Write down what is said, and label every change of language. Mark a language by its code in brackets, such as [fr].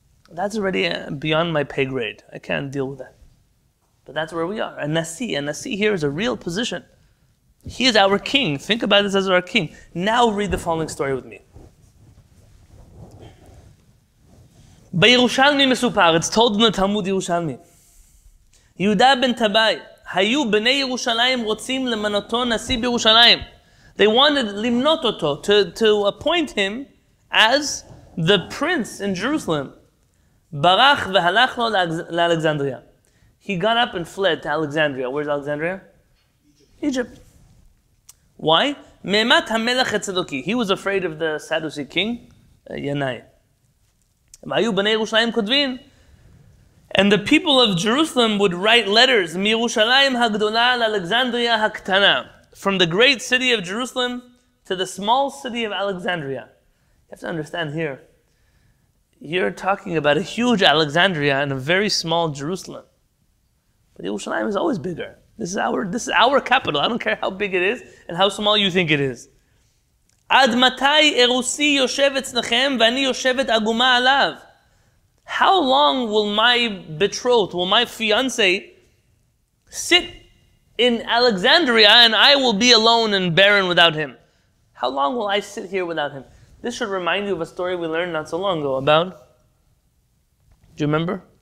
[en] That's already beyond my pay grade. I can't deal with that. But that's where we are. A Nasi here is a real position. He is our king. Think about this as our king. Now read the following story with me. [he] בירושלמי מסופר, [en] it's told in the Talmud ירושלמי. [he] יהודה בן טבאי, היו בני ירושלים רוצים למנותו נשיא בירושלים. [en] They wanted [he] למנות אותו, [en] to appoint him as the prince in Jerusalem. [he] ברח והלך לו לאלכסנדריה. [en] He got up and fled to Alexandria. Where's Alexandria? Egypt. Why? [he] מימת המלך הצדוקי. [en] He was afraid of the Sadducee king, ינאי. And the people of Jerusalem would write letters, [he] Mirushalayim Hagdola Alexandria Haktana, [en] from the great city of Jerusalem to the small city of Alexandria. You have to understand here, you're talking about a huge Alexandria and a very small Jerusalem. But Yerushalayim is always bigger. This is our capital. I don't care how big it is and how small you think it is. [he] עד מתי ארוסי יושב אצלכם ואני יושבת אגומה עליו? [en] How long will my betrothed, will my fiance sit in Alexandria and I will be alone and barren without him? How long will I sit here without him? This should remind you of a story we learned not so long ago about, do you remember?